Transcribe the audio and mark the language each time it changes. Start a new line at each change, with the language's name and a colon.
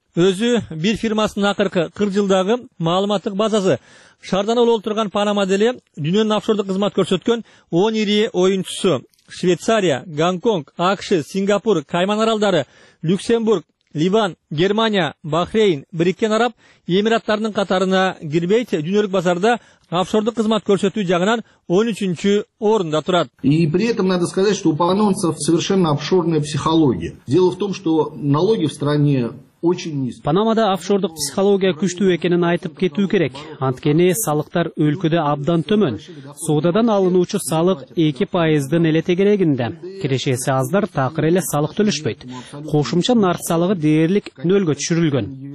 Kyrgyz: Өзү бир фирмасынын акыркы 40 жылдагы маалыматтык базасы шаардан улуу турган Панама деле дүйнөнүн офшордук кызмат көрсөткөн 10 ири оюнчусу: Швейцария, Гонконг, АКШ, Сингапур, Кайман аралдары, Люксембург, Ливан, Германия, Бахрейн, Бириккен Араб Эмираттарынын катарына кирбейт. Дүйнөлүк базарда офшордук кызмат көрсөтүү жагынан 13-чү орунда турат.
Russian: И при этом надо сказать, что у панамцев совершенно офшорная психология. Дело в том, что налоги в стране очень низкие.
Kyrgyz: Панамада офшордук психология күчтүү экенин айтып кетүү керек. Анткени салыктар өлкөдө абдан төмөн. Соодадан алынуучу салык 2%дын эле тегерегинде. Кирешеси аздар, такыр эле салык төлөшпөйт. Кошумча нарх салыгы дээрлик нөлгө түшүрүлгөн.